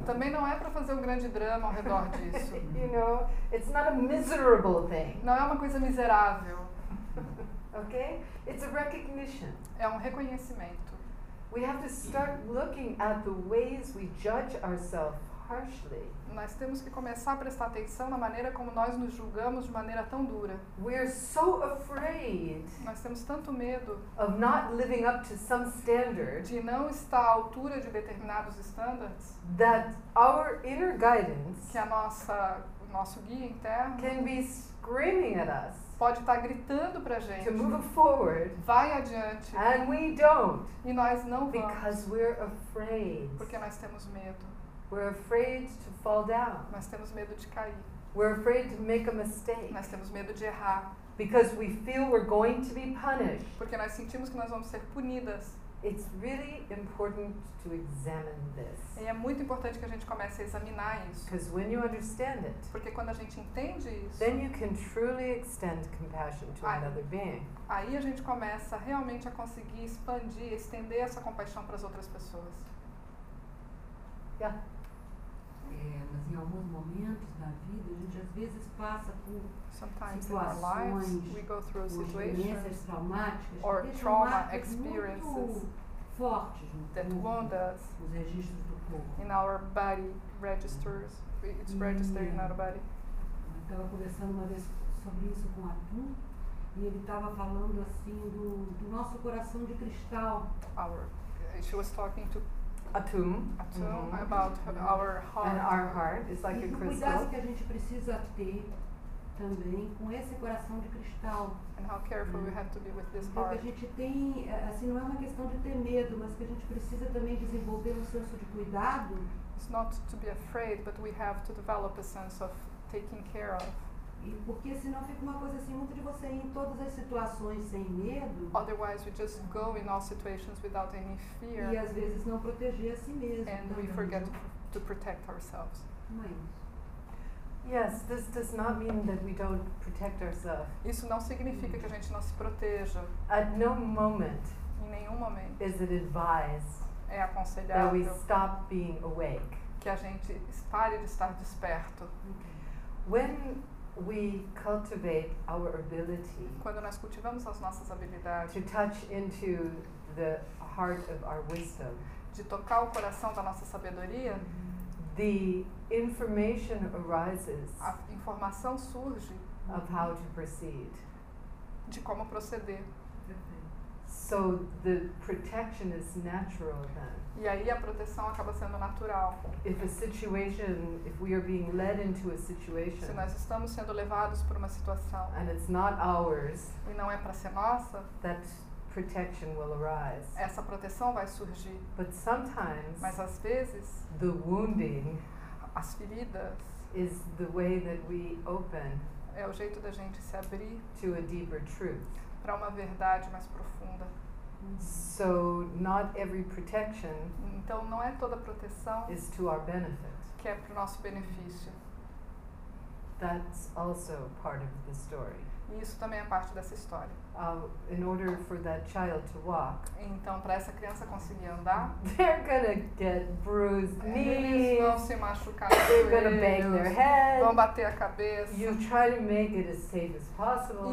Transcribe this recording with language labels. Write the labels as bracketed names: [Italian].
[Portuguese] Também não é para fazer um grande drama ao redor disso. [English] You know, it's not a miserable thing. [Portuguese] Não é uma coisa miserável. [English] Okay? It's a recognition. [Portuguese] É um reconhecimento. [English] We have to start looking at the ways we judge ourselves harshly. [Portuguese] Nós temos que começar a prestar atenção na maneira como nós nos julgamos de maneira tão dura. [English] We are so afraid. [Portuguese] Nós temos tanto medo [English] of not living up to some standard. [Portuguese] De não estar à altura de determinados standards. [English] That our inner guidance. [Portuguese] Que a nossa, o nosso guia interno. [English] Can be screaming at us. [Portuguese] Pode estar gritando pra gente. [English] To move forward. [Portuguese] Vai adiante. [English] And we don't. [Portuguese] E nós não vamos. [English] Because we're afraid. [Portuguese] Porque nós temos medo. [English] We're afraid to fall down. [Portuguese] Nós temos medo de cair. [English] We're afraid to make a mistake. [Portuguese] Nós temos medo de errar. [English] Because we feel we're going to be punished. [Portuguese] Porque nós sentimos que nós vamos ser punidas. [English] It's really important to examine this. [Portuguese] E é muito importante que a gente comece a examinar isso. [English] Because when you understand it, [Portuguese] porque quando a gente entende isso, [English] then you can truly extend compassion to another being. [Portuguese] Aí a gente começa realmente a conseguir expandir, estender essa compaixão para as outras pessoas. Mas em alguns momentos da vida, a gente às vezes passa por [English] sometimes [Portuguese] situações, [English] we go through situations, [Portuguese] experiências traumáticas, [English] or trauma experiences [Portuguese] muito fortes [English] that wound us [Portuguese] nos registros do corpo. [English] In our body registers, it's registered in our body. [Portuguese] Eu estava conversando uma vez sobre isso com o Arthur, e ele estava falando assim do nosso coração de cristal. [English] She was talking to Atum, mm-hmm. about our heart. And our heart is like [Portuguese] e [English] a crystal. [Portuguese] E o cuidado que a gente precisa ter também com esse coração de cristal. [English] And how careful we have to be with this [Portuguese] heart. Porque a gente tem, assim, não é uma questão de ter medo, mas que a gente precisa também desenvolver um senso de cuidado. [English] It's not to be afraid, but we have to develop a sense of taking care of. [Portuguese] E porque senão fica uma coisa assim, muito de você ir em todas as situações sem medo. [English] Otherwise we just go in all situations without any fear. [Portuguese] E às vezes não proteger a si mesmo. [English] And [Portuguese] também. [English] We forget to protect ourselves. [Portuguese] Mas, [English] yes, this does not mean that we don't protect ourselves. [Portuguese] Isso não significa que a gente não se proteja. [English] At no moment. [Portuguese] Em nenhum momento. [English] Is it advised. [Portuguese] É aconselhável. [English] That we stop being awake. [Portuguese] Que a gente pare de estar desperto. [English] When we cultivate our ability [Portuguese] quando nós cultivamos as nossas habilidades [English] to touch into the heart of our wisdom [Portuguese] de tocar o coração da nossa sabedoria [English] the information arises [Portuguese] a informação surge [English] of how to proceed [Portuguese] de como proceder [English] so the protection is natural then [Portuguese] e aí a proteção acaba sendo natural. [English] If a situation, if we are being led into a situation, [Portuguese] se nós estamos sendo levados por uma situação [English] and it's not ours, [Portuguese] e não é para ser nossa, [English] that protection will arise. [Portuguese] Essa proteção vai surgir. [English] But sometimes, [Portuguese] mas às vezes [English] the wounding [Portuguese] as feridas [English] is the way that we open [Portuguese] é o jeito da gente se abrir [English] to a deeper truth. [Portuguese] Para uma verdade mais profunda. [English] So not every protection [Portuguese] então não é toda proteção [English] is to our benefit. [Portuguese] Que é pro nosso benefício. [English] That's also part of the story. [Portuguese] E isso também é parte dessa história. [English] In order for that child to walk, [Portuguese] então para essa criança conseguir andar, [English] they're gonna get bruised knees. [Portuguese] Eles vão se machucar. [English] They're gonna bang their head. [Portuguese] Vão bater a cabeça. [English] You try to make it as safe as possible.